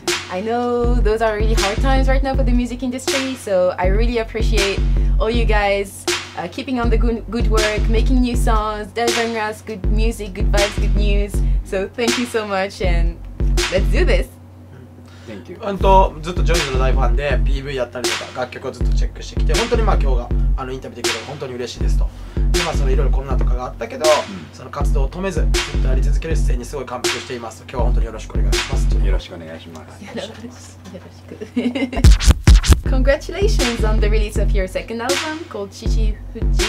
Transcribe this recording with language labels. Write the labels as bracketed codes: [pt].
[en] I know those are really hard times right now for the music industry, so I really appreciate all you guys. Keeping on the good work, making new songs, delivering us good music, good vibes, good news. So thank you so much and let's do this! Thank you. [ja] 本当、ずっとジョイズの大ファンで PV やったりとか楽曲をずっとチェックしてきて、本当にまあ今日があのインタビューできるのが本当に嬉しいですと。今そのいろいろコロナとかがあったけど、その活動を止めず、ずっとやり続ける姿勢にすごい感服していますと。今日は本当によろしくお願いします。よろしくお願いします。よろしく。 [en] Congratulations on the release of your second album called Shishi Fuji.